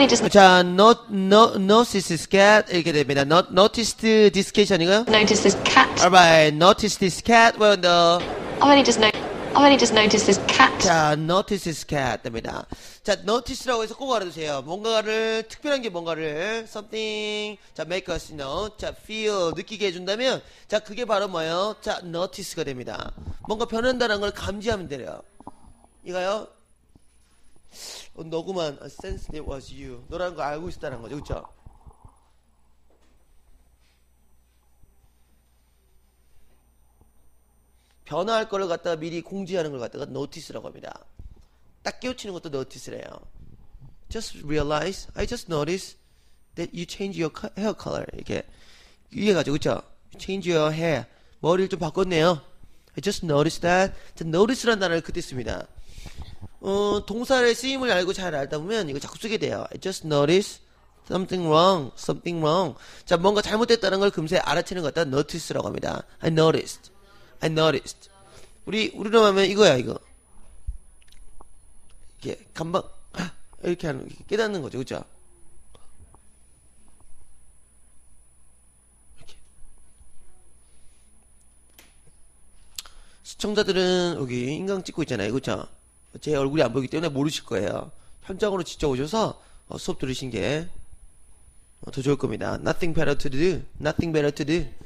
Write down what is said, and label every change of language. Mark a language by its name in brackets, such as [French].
[Korean] 자, [English] noticed this cat [Korean] 이렇게 됩니다. [English] Noticed this cat [Korean] 아니고요? [English] Noticed this cat. Alright, noticed this cat. [Korean] 왜 한 더? [English] I've only just noticed this cat. [Korean] 자, [English] noticed this cat [Korean] 됩니다. 자, notice라고 해서 꼭 알아두세요. 뭔가를, 특별한 게 뭔가를, something, 자, [English] make us know, [Korean] 자, feel, 느끼게 해준다면, 자, 그게 바로 뭐예요? 자, notice가 됩니다. 뭔가 변한다는 걸 감지하면 되래요. 이거요? 어, 너구만, [English] I sensed it was you. [Korean] 너라는 걸 알고 있었다는 거죠, 그쵸? 변화할 거를 갖다가 미리 공지하는 걸 갖다가 notice라고 합니다. 딱 깨우치는 것도 notice래요. [English] Just realize, I just noticed that you change your hair color. [Korean] 이렇게 이해가죠, 그렇죠? [English] Change your hair. [Korean] 머리를 좀 바꿨네요. [English] I just noticed that. [Korean] 자, notice란 단어를 그때 씁니다. 동사의 쓰임을 알고 잘 알다 보면 이거 자꾸 쓰게 돼요. [English] I just noticed something wrong. Something wrong. [Korean] 자, 뭔가 잘못됐다는 걸 금세 알아채는 것도 notice라고 합니다. [English] I noticed. I noticed. [Korean] 우리로 하면 이거야, 이거. 이렇게 감방 이렇게 하는 이렇게 깨닫는 거죠, 그죠? 이렇게 시청자들은 여기 인강 찍고 있잖아요, 그죠? 제 얼굴이 안 보이기 때문에 모르실 거예요. 현장으로 직접 오셔서 수업 들으신 게 더 좋을 겁니다. [English] Nothing better to do, nothing better to do.